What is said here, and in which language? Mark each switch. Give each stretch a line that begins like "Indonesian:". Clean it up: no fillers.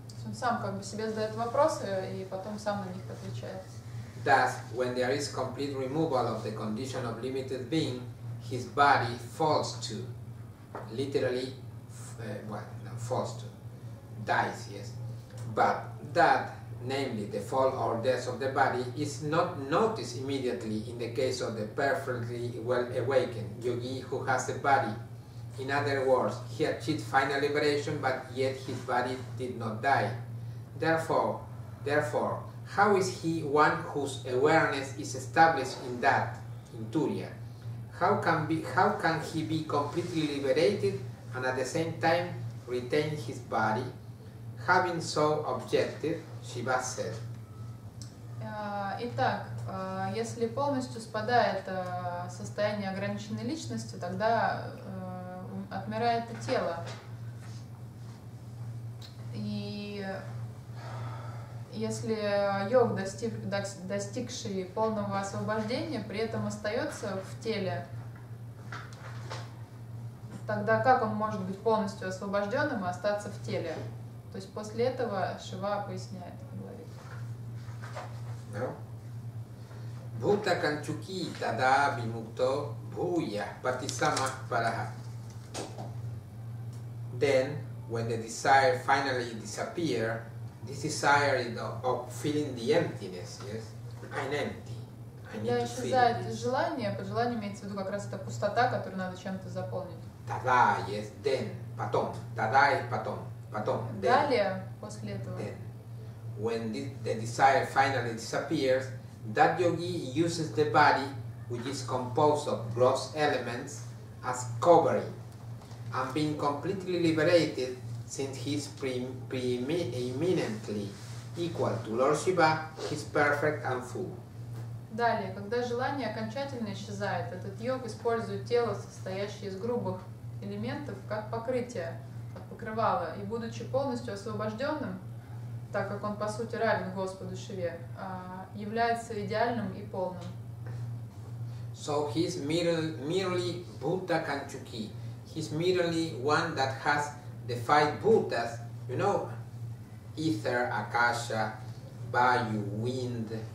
Russian: Он сам как бы себе задает вопросы и потом сам на них отвечает.
English: Thus, when there is complete removal of the condition of limited being, his body falls to, literally, falls to, dies, yes. But that, namely the fall or death of the body, is not noticed immediately in the case of the perfectly well awakened yogi who has a body. In other words, he achieved final liberation, but yet his body did not die. Therefore, how is he one whose awareness is established in that, in Turiya? How can he be completely liberated and at the same time retain his body? Having so objected, Shiva said.
Russian: Итак, если полностью спадает состояние ограниченной личности, тогда отмирает и тело. И если йог, достигший полного освобождения, при этом остается в теле, тогда как он может быть полностью освобожденным и остаться в теле? То есть после этого Шива поясняет, говорит.
English: No.
Sanskrit: Bhuta kanchuki tada bimukto bhuya patisama paraha.
English: Then, when the desire finally disappears, this desire of feeling the emptiness, yes, I'm empty.
Russian: Когда исчезает желание, под желанием имеется в виду как раз эта пустота, которую надо чем-то заполнить. Тогда,
English: yes, then,
Russian: потом. Тогда и потом. Потом, далее,
English: then,
Russian: после этого.
English: Then, when the desire finally disappears, that yogi uses the body, which is composed of gross elements, as covering, and being completely liberated, since he is preeminently equal to Lord Shiva, he is perfect and full.
Russian: Далее, когда желание окончательно исчезает, этот йог использует тело, состоящее из грубых элементов, как покрытие, как покрывало, и будучи полностью освобожденным, так как он по сути равен Господу Шиве, является идеальным и полным.
English: So he's merely Buddha Kanchuki. He's merely one that has the five Buddhas, you know, ether, akasha, vayu, wind.